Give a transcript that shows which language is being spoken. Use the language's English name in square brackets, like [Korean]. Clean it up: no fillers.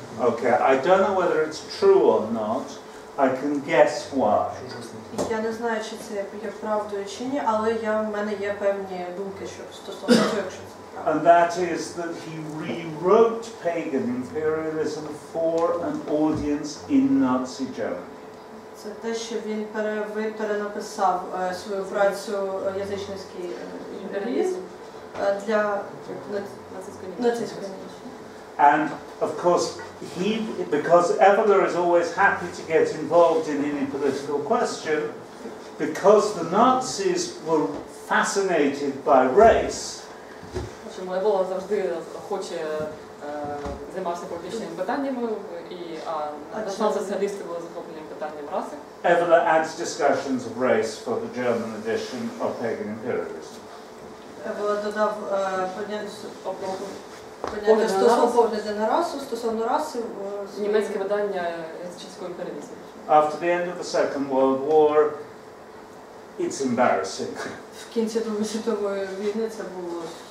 [English] Okay, I don't know whether it's true or not. I can guess why. [Ukrainian] Я не знаю, чи це є правдою чи ні, але в мене є певні думки, що стосовно цього, якщо це. [English] And that is that he rewrote pagan imperialism for an audience in Nazi Germany. [Ukrainian] Це те, що він перенаписав свою працю «Язичницький імперіалізм» для нацистської німеччини. [English] And of course he, because Evola is always happy to get involved in any political question, because the Nazis were fascinated by race. [Ukrainian] Чому Евола завжди хоче займатися політичними питаннями, і націоналісти були захоплені питанням раси. [English] Evola adds discussions of race for the German edition of Pagan Imperialism. [Ukrainian] Евола додав поняття стосовно погляду на расу, стосовно раси в німецьке видання язичницького імперіалізму. [English] After the end of the Second World War, it's embarrassing. [Ukrainian] В кінці Другої світової війни це було